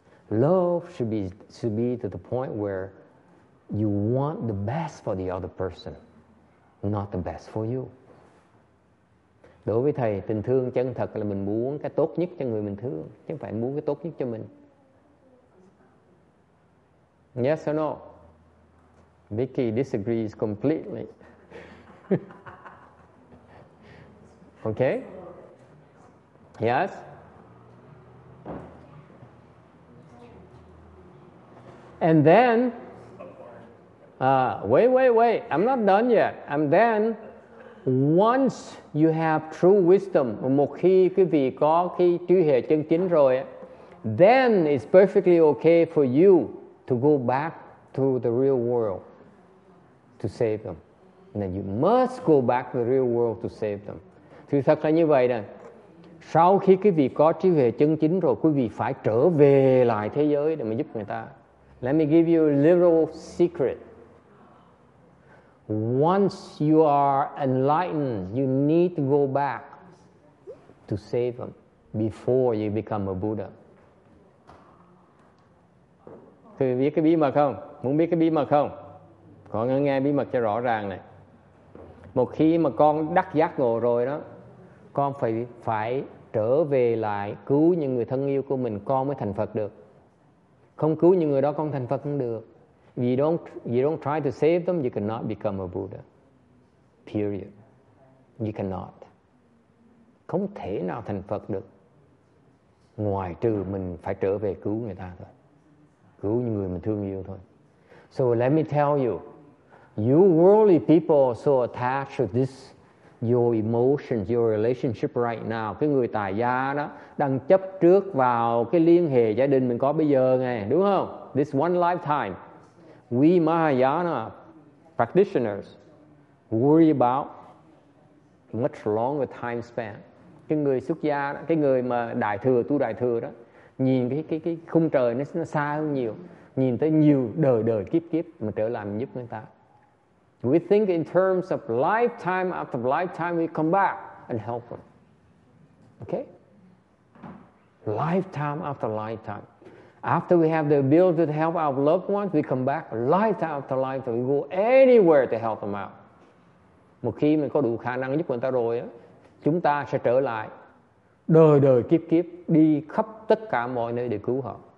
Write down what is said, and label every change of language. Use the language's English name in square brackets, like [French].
[English] Love should be to the point where you want the best for the other person, not the best for you. [Vietnamese] Đối với thầy, tình thương chân thật là mình muốn cái tốt nhất cho người mình thương, chứ không phải muốn cái tốt nhất cho mình. [English] Yes or no? Vicky disagrees completely. Okay? Yes? And then... Wait. I'm not done yet. And then, once you have true wisdom, [Vietnamese] một khi quý vị có cái trí hệ chân chính rồi, [English] then it's perfectly okay for you to go back to the real world to save them. And then you must go back to the real world to save them. [Vietnamese] Thì thật là như vậy đó. Sau khi quý vị có trí hệ chân chính rồi, quý vị phải trở về lại thế giới để mà giúp người ta. [English] Let me give you a little secret. Once you are enlightened, you need to go back to save them before you become a Buddha. [Vietnamese] Quý vị biết cái bí mật không? Muốn biết cái bí mật không? Có nghe bí mật cho rõ ràng này. Một khi mà con đắc giác ngộ rồi đó, con phải trở về lại cứu những người thân yêu của mình, con mới thành Phật được. Không cứu những người đó, con thành Phật không được. [English] You don't try to save them, you cannot become a Buddha. Period. You cannot. [Vietnamese] Không thể nào thành Phật được. Ngoài trừ mình phải trở về cứu người ta thôi. Cứu những người mình thương yêu thôi. [English] So let me tell you. You worldly people are so attached to this, your emotions, your relationship right now. [Vietnamese] Cái người tài gia đó đang chấp trước vào cái liên hệ gia đình mình có bây giờ này, đúng không? [English] This one lifetime. We Mahayana practitioners worry about much longer time span. [Vietnamese] Cái người xuất gia đó, cái người mà đại thừa, tu đại thừa đó, nhìn cái khung trời nó xa hơn nhiều, nhìn tới nhiều đời đời kiếp kiếp mà trở lại giúp người ta. [English] We think in terms of lifetime after lifetime we come back and help them. Okay? lifetime after lifetime. After we have the ability to help our loved ones, we come back lifetime after lifetime. We go anywhere to help them out. [Vietnamese] Một khi mình có đủ khả năng giúp người ta rồi, chúng ta sẽ trở lại đời đời kiếp kiếp đi khắp tất cả mọi nơi để cứu họ.